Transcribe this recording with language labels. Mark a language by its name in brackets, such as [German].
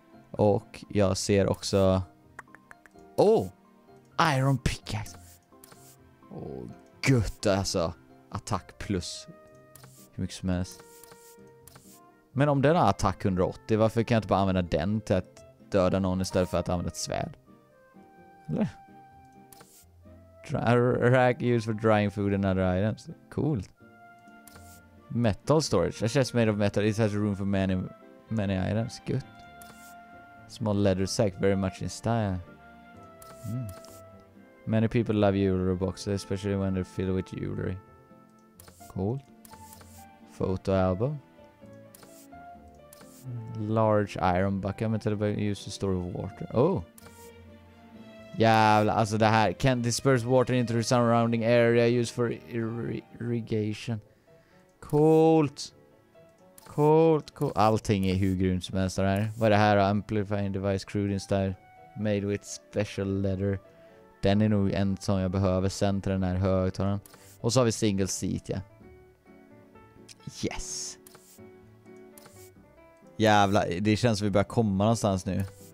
[Swedish] Och jag ser också... Oh! Iron pickaxe. Åh, gutta alltså. Attack plus. Hur mycket som helst. Men om den har attack 180, varför kan jag inte bara använda den till att döda någon istället för att använda ett svärd? Eller? [English] Rack used for drying food and other items. Coolt. Metal storage. A chest made of metal. It has room for many items. Good. Small leather sack. Very much in style. Mm. Many people love jewelry boxes, especially when they're filled with jewelry. Cool. Photo album. Large iron bucket. I'm going to tell you about use to store water. Oh. [Swedish] Jävlar, alltså det här. [English] Can disperse water into the surrounding area. Use for irrigation. Coolt. Coolt, coolt. [Swedish] Allting är hur grymt som helst här. Vad är det här? [English] Amplifying device, crude style. Made with special leather. [Swedish] Den är nog en som jag behöver sen till den här högtalaren. Och så har vi single seat, ja. Yes. Jävla, det känns som vi börjar komma någonstans nu.